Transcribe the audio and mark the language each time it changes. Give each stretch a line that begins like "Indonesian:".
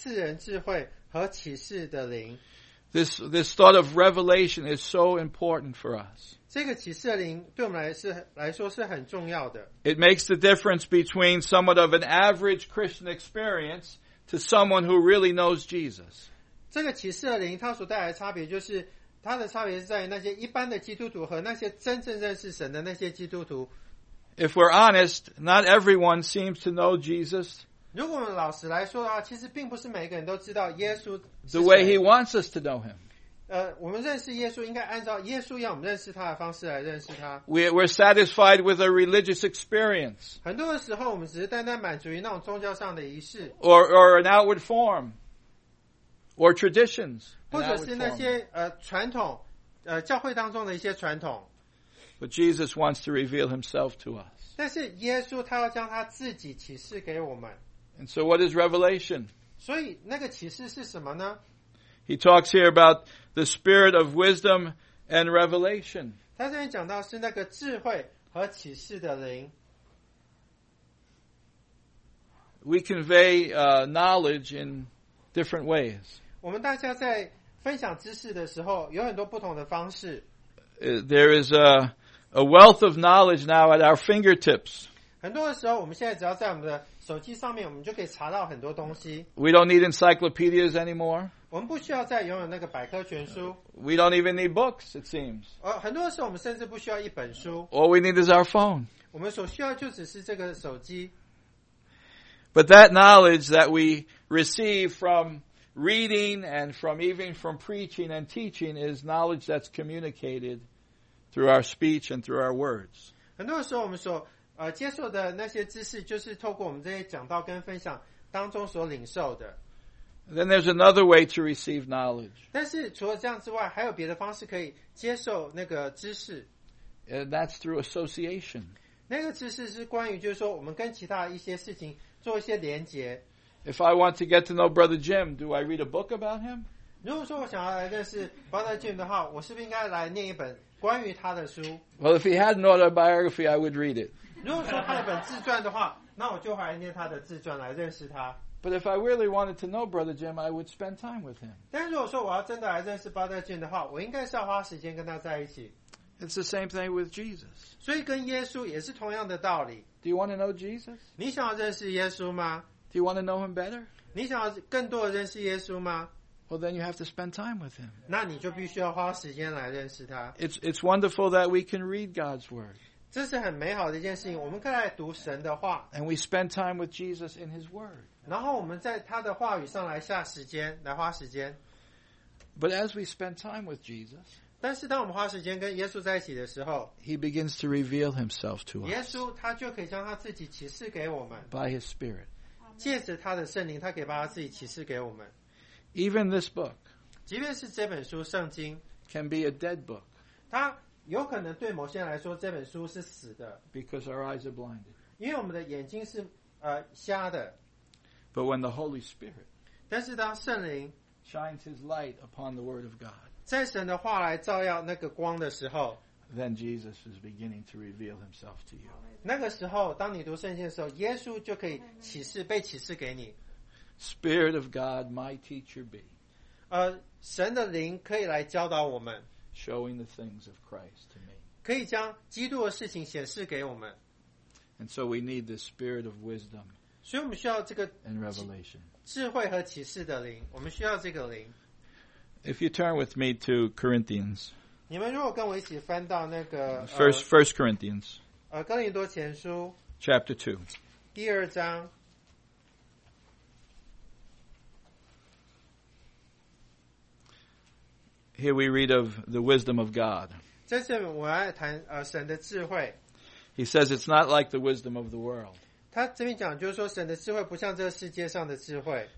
Chinese: 这边有很多东西可以谈，但是今天早上我要跟大家谈的，是那赐人智慧和启示的灵。
English: This thought of revelation is so important for us.
Chinese: 这个启示的灵对我们来说是很重要的。
English: It makes the difference between somewhat of an average Christian experience to someone who really knows Jesus.
Chinese: 这个启示的灵它所带来的差别就是它的差别是在那些一般的基督徒和那些真正认识神的那些基督徒。
English: If we're honest, not everyone seems to know Jesus.
Chinese: 如果我们老实来说的话，其实并不是每个人都知道耶稣。
English: The way He wants us to know Him.
Chinese: 我们认识耶稣应该按照耶稣要我们认识他的方式来认识他。
English: We're satisfied with a religious experience.
Chinese: 很多的时候我们只是单单满足于那种宗教上的仪式。
English: Or an outward form. Or traditions.
Chinese: 或者是那些传统教会当中的一些传统。
English: But Jesus wants to reveal himself to us.
Chinese: 但是耶稣他要将他自己启示给我们。
English: And so what is revelation?
Chinese: 所以那个启示是什么呢？
English: He talks here about the spirit of wisdom and revelation.
Chinese: 他这边讲到是那个智慧和启示的灵。
English: We convey knowledge in different ways.
Chinese: 我们大家在分享知识的时候有很多不同的方式。
English: There is a wealth of knowledge now at our fingertips.
Chinese: 很多的时候我们现在只要在我们的手机上面我们就可以查到很多东西。
English: We don't need encyclopedias anymore.
Chinese: 我们不需要再拥有那个百科全书。
English: We don't even need books, it seems.
Chinese: 很多时候我们甚至不需要一本书。
English: All we need is our phone.
Chinese: 我们所需要就只是这个手机。
English: But that knowledge that we receive from reading and from even from preaching and teaching is knowledge that's communicated through our speech and through our words.
Chinese: 很多时候我们所接受的那些知识就是透过我们这些讲道跟分享当中所领受的。
English: Then there's another way to receive knowledge.
Chinese: 但是除了这样之外，还有别的方式可以接受那个知识。
English: And that's through association.
Chinese: 那个知识是关于就是说我们跟其他一些事情做一些连结。
English: If I want to get to know Brother Jim, do I read a book about him?
Chinese: 如果说我想要来认识 Brother Jim 的话，我是不是应该来念一本关于他的书？
English: Well, if he had an autobiography, I would read it.
Chinese: 如果说他有本自传的话，那我就来念他的自传来认识他。
English: But if I really wanted to know Brother Jim, I would spend time with him.
Chinese: 但如果说我要真的来认识 Brother Jim 的话，我应该是要花时间跟他在一起。
English: It's the same thing with Jesus.
Chinese: 所以跟耶稣也是同样的道理。
English: Do you want to know Jesus?
Chinese: 你想要认识耶稣吗？
English: Do you want to know him better?
Chinese: 你想要更多的认识耶稣吗？
English: Well, then you have to spend time with him.
Chinese: 那你就必须要花时间来认识他。
English: It's wonderful that we can read God's word.
Chinese: 这是很美好的一件事情，我们可以来读神的话。
English: And we spend time with Jesus in his word.
Chinese: 然后我们在他的话语上来下时间，来花时间。
English: But as we spend time with Jesus,
Chinese: 但是当我们花时间跟耶稣在一起的时候，
English: He begins to reveal himself to us.
Chinese: 耶稣他就可以将他自己启示给我们。
English: By his spirit.
Chinese: 借着他的圣灵，他可以把他自己启示给我们。
English: Even this book,
Chinese: 即便是这本书圣经，
English: can be a dead book.
Chinese: 它有可能对某些人来说这本书是死的。
English: Because our eyes are blinded.
Chinese: 因为我们的眼睛是瞎的。
English: But when the Holy Spirit
Chinese: 但是当圣灵
English: shines his light upon the word of God,
Chinese: 在神的话来照耀那个光的时候
English: then Jesus is beginning to reveal himself to you.
Chinese: 那个时候当你读圣经的时候耶稣就可以启示被启示给你
English: Spirit of God, my teacher be.
Chinese: 神的灵可以来教导我们
English: showing the things of Christ to me.
Chinese: 可以将基督的事情显示给我们
English: And so we need the spirit of wisdom.
Chinese: 所以我们需要这个
English: and revelation.
Chinese: 智慧和启示的灵，我们需要这个灵。
English: If you turn with me to Corinthians,
Chinese: 你们如果跟我一起翻到那个
English: First Corinthians,
Chinese: 哥林多前书
English: Chapter 2,
Chinese: 第二章。
English: Here we read of the wisdom of God.
Chinese: 在这边我要谈神的智慧。
English: He says it's not like the wisdom of the world.
Chinese: 他这边讲就是说神的智慧不像这个世界上的智慧。